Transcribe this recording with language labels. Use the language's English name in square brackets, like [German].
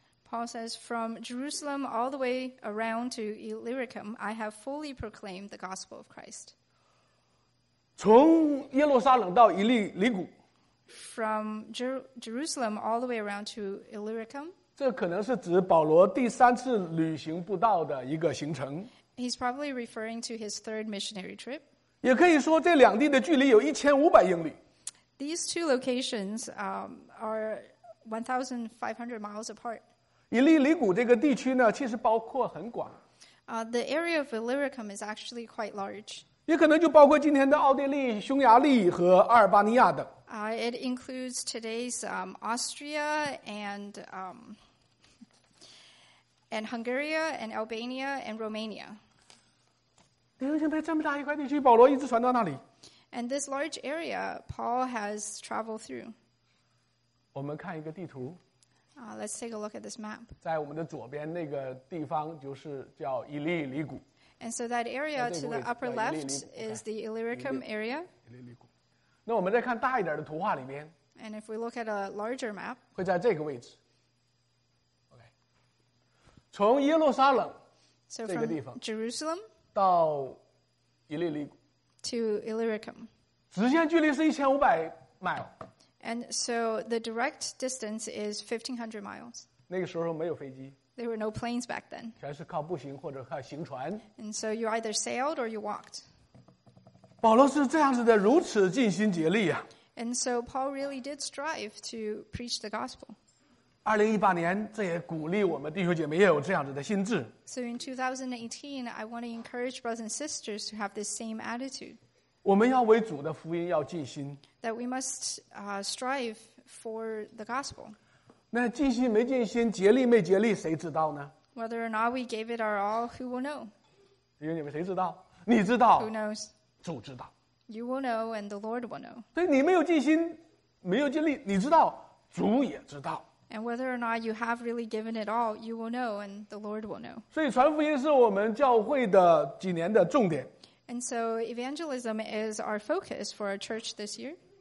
[English] Paul says, from Jerusalem all the way around to Illyricum, I have fully proclaimed the gospel of Christ. [Chinese] 从耶路撒冷到以利里谷。 [English] From Jerusalem all the way around to Illyricum. [Chinese] 这可能是指保罗第三次旅行布道的一个行程。 [English] He's probably referring to his third missionary trip. [Chinese] 也可以说这两地的距离有1500英里。 [English] These two locations are 1,500 miles apart. [Chinese] 以利里谷这个地区呢，其实包括很广。 [English] The area of Illyricum is actually quite large. [Chinese] 也可能就包括今天的奥地利、匈牙利和阿尔巴尼亚等。 [English] It includes today's Austria and Hungary and Albania and Romania. [Chinese] 弟兄姐妹，这么大一块地区，保罗一直传到那里。 [English] And this large area, Paul has traveled through. [Chinese] 我们看一个地图。 [English] Let's take a look at this map. [Chinese] 在我们的左边那个地方就是叫以利里谷。 [English] And so that area to the upper left is the Illyricum area. [Chinese] 以利里谷。那我们再看大一点的图画里面。 [English] And if we look at a larger map. [Chinese] 会在这个位置。OK. 从耶路撒冷 [English] So from Jerusalem to Illyricum. To Illyricum. [Chinese] 直线距离是 1500 miles. [English] And so the direct distance is 1500 miles. [Chinese] 那个时候没有飞机。 [English] There were no planes back then. [Chinese] 全是靠步行或者靠行船。 [English] And so you either sailed or you walked. [Chinese] 保罗是这样子的，如此尽心竭力啊。 [English] And so Paul really did strive to preach the gospel. [Chinese] 2018年，这也鼓励我们弟兄姐妹也有这样子的心智。 [English] So in 2018, I want to encourage brothers and sisters to have this same attitude. [Chinese] 我们要为主的福音要尽心。 [English] That we must strive for the gospel. [Chinese] 那尽心没尽心，竭力没竭力，谁知道呢？ [English] Whether or not we gave it our all, who will know? [Chinese] 弟兄姐妹，谁知道？你知道。 [English] Who knows? [Chinese] 主知道。 [English] You will know, and the Lord will know. [Chinese] 对，你没有尽心，没有尽力，你知道，主也知道。 [English] And whether or not you have really given it all, you will know, and the Lord will know. [Chinese] 所以传福音是我们教会的几年的重点。 [English] And so evangelism is our focus for our church this year.